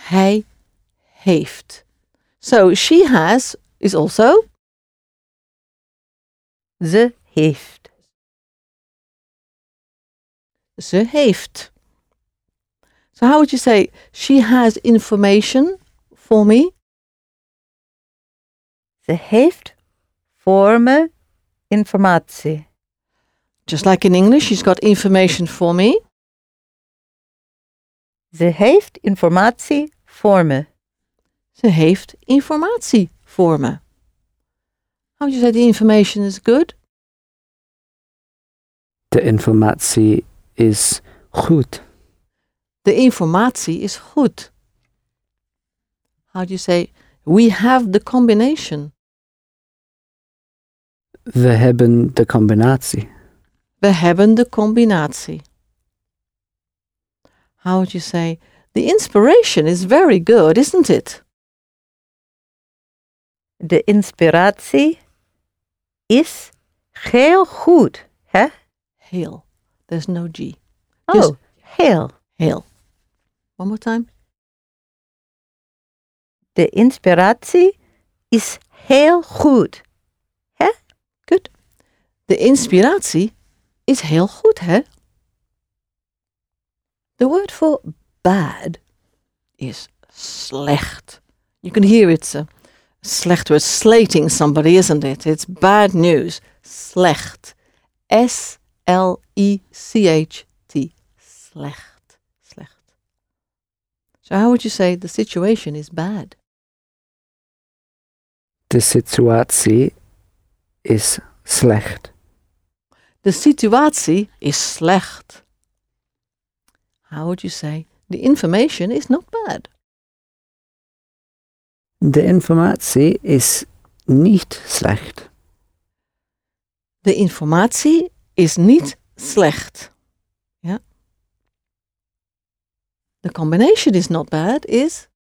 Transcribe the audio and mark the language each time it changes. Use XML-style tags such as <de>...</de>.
<nl>Hij heeft.</nl> <en>So she has is also</en> <nl>ze heeft. Ze heeft.</nl> <en>So how would you say she has information for me?</en> <nl>Ze heeft voor me informatie.</nl> <en>Just like in English, she's got information for me.</en> <nl>Ze heeft informatie voor me. Ze heeft informatie voor me.</nl> <en>How would you say the information is good?</en> <nl>De informatie is goed. De informatie is goed.</nl> <en>How do you say we have the combination?</en> <nl>We hebben de combinatie. We hebben de combinatie.</nl> <en>How would you say, the inspiration is very good, isn't it?</en> <nl>De inspiratie is heel goed, hè?</nl> <en>Heel. There's no G. Oh, just heel. Heel. One more time.</en> <nl>De inspiratie is heel goed, hè?</nl> <en>Good.</en> <nl>De inspiratie is heel goed, hè?</nl> <en>The word for bad is slecht. You can hear it's a slecht word. Slating somebody, isn't it? It's bad news. Slecht. S-L-E-C-H-T.</en> <nl>Slecht. Slecht.</nl> <en>So how would you say the situation is bad?</en> <nl>De situatie is slecht. De situatie is slecht.</nl> <en>How would you say the information is not bad?</en> <nl>De informatie is niet slecht. De informatie is niet slecht.</nl> <en>Yeah. The combination is not bad is?</en>